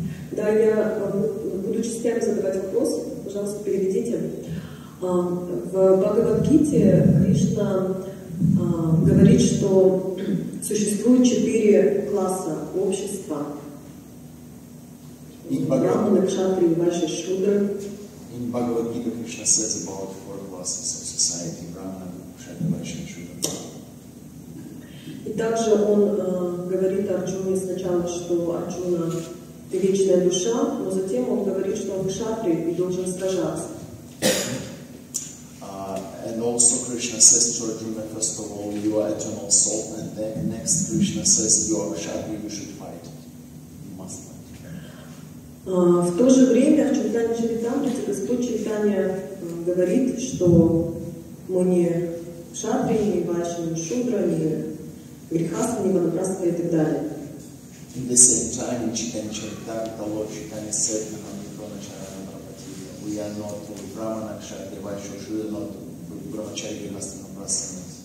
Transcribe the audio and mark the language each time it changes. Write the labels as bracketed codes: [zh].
[ru] да, я, буду частями задавать вопрос, пожалуйста, переведите. В Бхагавад-гите Кришна говорит, что существует четыре класса общества. Брахманы, кшатрии, вайши, шудры. [en] In Bhagavad-gita, Krishna says about four classes of society: Brahman, Kshatri, Vaishya and Shudra. [ru] И также он говорит Арджуне сначала, что Арджуна – ты вечная душа, но затем он говорит, что он кшатри и должен сражаться. [en] And also Krishna says to Arjuna, first of all, you are eternal soul, and then next Krishna says, you are kshatri, you should fight. You must fight. [ru] В то же время в Чайтанья Чаритамрите Господь Чайтанья говорит, что мы не кшатри, не вайшья, не шудра, не грехасы, не манапрасы и так далее. [en] In the same time, in Chaitanya Charitamrita, Lord Chaitanya said to Brahmacharya Brahmati, we are not Brahmana, Kshatriya, Vaishya, Shudra, not Brahmacharya, Grihastha, Manapraса.